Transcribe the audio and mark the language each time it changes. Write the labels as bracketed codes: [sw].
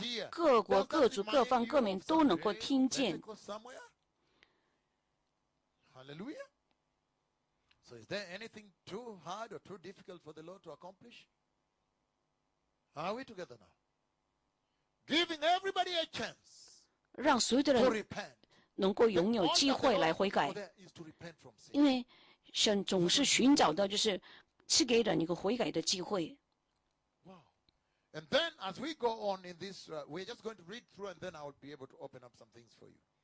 [zh] 各国、各族、各方、各民都能够听见。 [en] Hallelujah. So is there anything too hard or too difficult for the Lord to accomplish? Are we together now? Giving everybody a chance, [zh] 让所有的人能够拥有机会来悔改，因为神总是寻找的就是赐给人一个悔改的机会。 [en] Wow. And then as we go on in this, we're just going to read through and then I'll be able to open up some things for you.